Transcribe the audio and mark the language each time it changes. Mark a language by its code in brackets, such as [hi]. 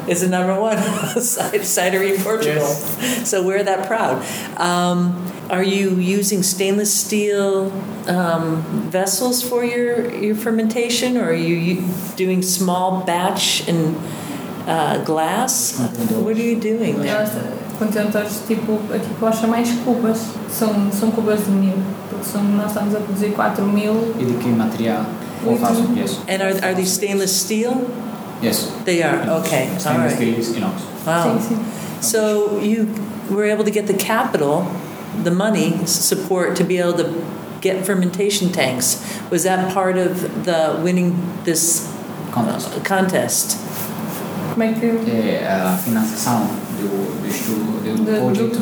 [en] It's the number one cidery in Portugal. Yes. So we're that proud. Are you using stainless steel vessels for your fermentation, or are you doing small batch in glass? What are you doing there? [pt] Contentores, tipo, aqui que eu acho mais cubas. São cubas de mil. Porque nós estamos a produzir 4 mil. E de que material? [en] Yes. And are these stainless steel? Yes. They are, okay. Stainless steel is inox. Wow. So you were able to get the capital, the money, support to be able to get fermentation tanks. Was that part of the winning this contest? [pt] Como é que... É a financiação do projeto.